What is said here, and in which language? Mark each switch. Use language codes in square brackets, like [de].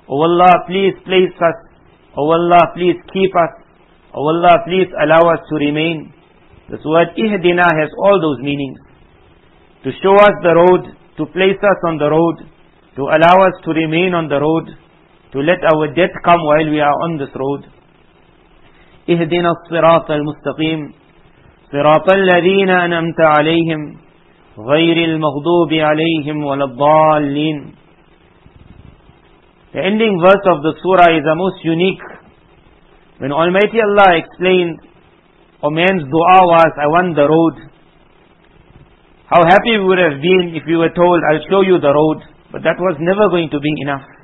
[en] O Allah, please place us. O Allah, please keep us. O Allah, please allow us to remain. This word اِهْدِنَا has all those meanings. To show us the road, to place us on the road, to allow us to remain on the road, to let our death come while we are on this road. [ar] اِهْدِنَا الصِّرَاطَ الْمُسْتَقِيمِ صراط الذين أنعمت عليهم غير المغضوب عليهم ولا الضالين. [en] The ending verse of the surah is the most unique. When Almighty Allah explained, O man's dua was, I want the road. How happy we would have been if we were told, I'll show you the road. But that was never going to be enough.